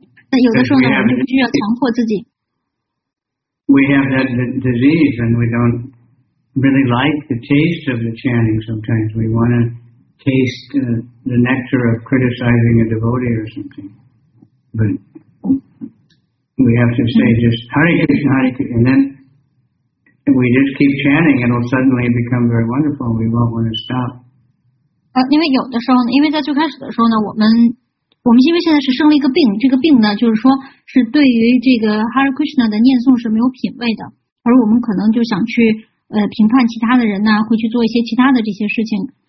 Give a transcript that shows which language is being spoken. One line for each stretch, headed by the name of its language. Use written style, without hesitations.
Chinese: 那有的时候呢，我们就需要强迫自己。
English: We have that disease and we don't... really like the taste of the chanting sometimes. We want to taste the nectar of criticizing a devotee or something. But we have to say just Hare Krishna, Hare Krishna. And then we just keep chanting, it'll suddenly become very wonderful and we won't want to stop.
Chinese: 因为有的时候呢，因为在最开始的时候呢，我们因为现在是生了一个病，这个病呢就是说是对于这个 Hare Krishna 的念诵是没有品味的，而我们可能就想去评判其他的人呢，会去做一些其他的这些事情。